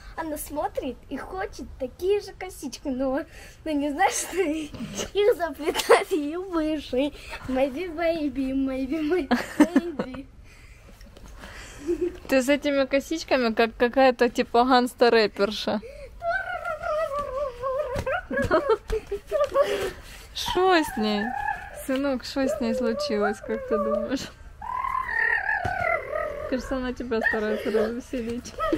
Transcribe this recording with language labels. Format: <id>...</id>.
<ru>Она смотрит и хочет такие же косички, но не знаешь, что их заплетать ее выше.</ru> <en>Maybe baby, maybe my baby.</en> <ru>Ты с этими косичками как какая-то типа гангстер-рэперша. Что с ней? Сынок, что с ней случилось, как ты думаешь? Кажется, она тебя старается развеселить.</ru>